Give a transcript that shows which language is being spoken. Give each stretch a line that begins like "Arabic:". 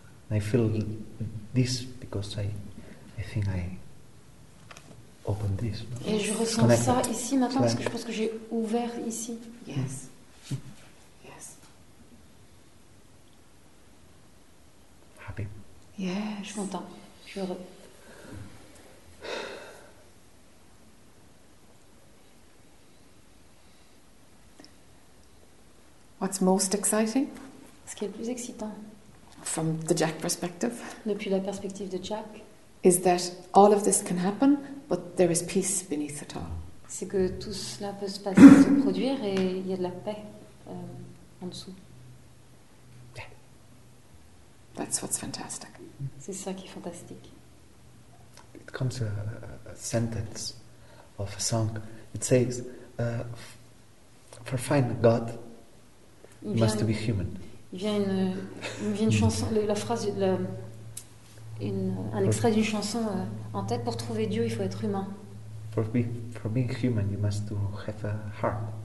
English: I feel this because I think I opened this.
French: Et je ressens connected. Ça ici maintenant parce que je pense que j'ai ouvert ici.
English: Yes. Yes. Happy. Yes.
French: Je suis content. Je suis heureux.
English: What's most exciting?
French: Ce qui est le plus excitant.
English: From the Jack perspective.
French: Depuis la perspective de Jack.
English: Is that all of this can happen, but there is peace beneath it all.
French: C'est que tout cela peut se passer, se produire, et il y a de la paix en dessous.
English: Yeah. That's what's fantastic.
French: C'est ça qui est fantastique.
English: It comes to a sentence of a song. It says, for find God,
French: il
English: must be human.
French: Vient une chanson, la phrase, un extrait d'une chanson en tête. Pour trouver Dieu, il faut être humain.
English: For being human, you must have a heart.